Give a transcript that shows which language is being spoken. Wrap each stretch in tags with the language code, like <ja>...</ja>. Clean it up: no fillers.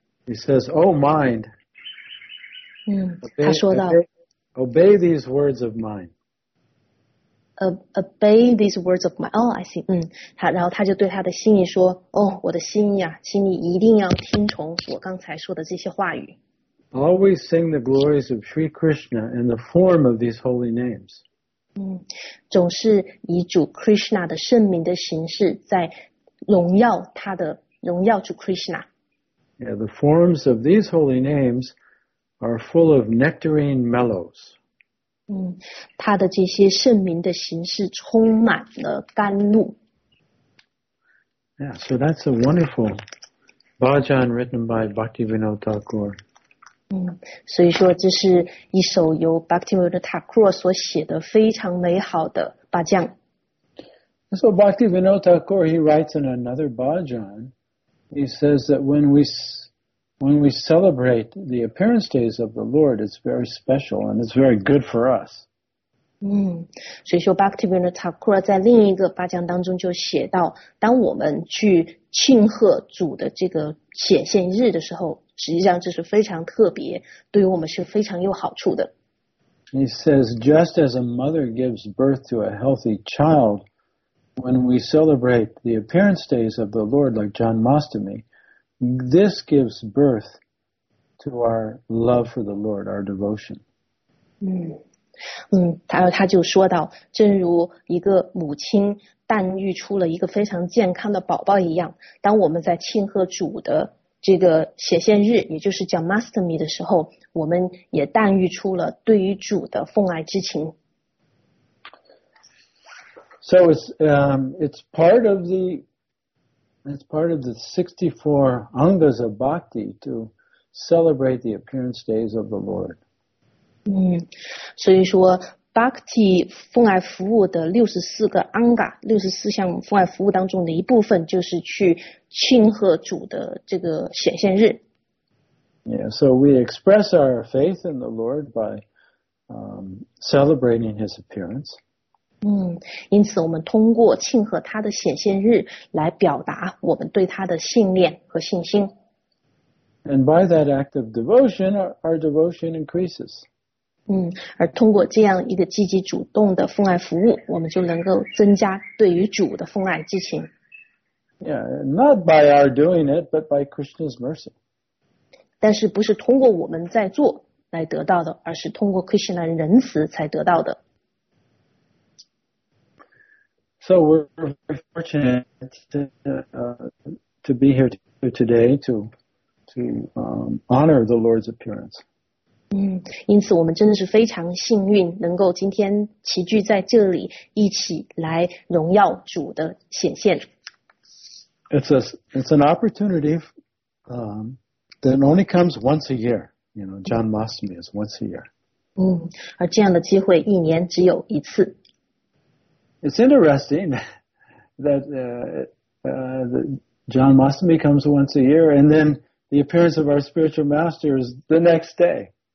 <en>He says, Oh mind.</en> <zh>他说到。</zh> <en>Obey these words of mine. Obey these words of mine. Oh, I see.</en> <zh>然后他就对他的心意说，我的心意啊，请你一定要听从我刚才说的这些话语。</zh> <en>Always sing the glories of Sri Krishna in the form of these holy names.</en> <zh>总是以主 Krishna 的圣名的形式在荣耀主 Krishna.</zh> <en>Yeah, the forms of these holy names are full of nectarine mellows.</en> <zh>他的这些圣名的形式充满了甘露。</zh> <en>Yeah, so that's a wonderful bhajan written by Bhaktivinoda Thakur.</en> <zh>所以说这是一首由 Bhaktivinoda Thakur 所写的非常美好的 bhajan.</zh> <en>So Bhaktivinoda Thakur, he writes in another bhajan, he says that when we celebrate the appearance days of the Lord, it's very special and it's very good for us.</en> <zh>所以说 Bhaktivinoda Thakur 在另一个八讲当中就写到，当我们去庆贺主的这个显现日的时候，实际上这是非常特别，对于我们是非常有好处的。</zh> <en>He says, just as a mother gives birth to a healthy child, when we celebrate the appearance days of the Lord, like Janmashtami,This gives birth to our love for the Lord, our devotion.</en> <zh>他就说到，正如一个母亲诞育出了一个非常健康的宝宝一样，当我们在庆贺主的这个显现日，也就是叫 Mastami 的时候，我们也诞育出了对于主的奉爱之情。</zh> <en>So it's part of the 64 angas of bhakti to celebrate the appearance days of the Lord.</en> <zh>所以说 bhakti 奉爱服务的64个 anga, 64项奉爱服务当中的一部分就是去庆贺主的这个显现日。</zh> <en>Yeah, so we express our faith in the Lord by celebrating his appearance.</en> <zh>因此我们通过庆贺他的显现日来表达我们对他的信念和信心。</zh> <en>And by that act of devotion, our devotion increases.</en> <zh>而通过这样一个积极主动的奉爱服务，我们就能够增加对于主的奉爱之情。</zh> <en>Yeah, not by our doing it, but by Krishna's mercy.</en> <zh>但是不是通过我们在做来得到的，而是通过 Krishna 仁慈才得到的。</zh> <en>So we're very fortunate to be here today to honor the Lord's appearance.</en> <zh>因此我们真的是非常幸运能够今天齐聚在这里一起来荣耀主的显现。</zh> <en>It's an opportunity that only comes once a year. You know, John Mastermy is once a year.</en> <zh>而这样的机会一年只有一次。</zh> <en>It's interesting that John Mastermy comes once a year, and then the appearance of our spiritual master is the next day.</en>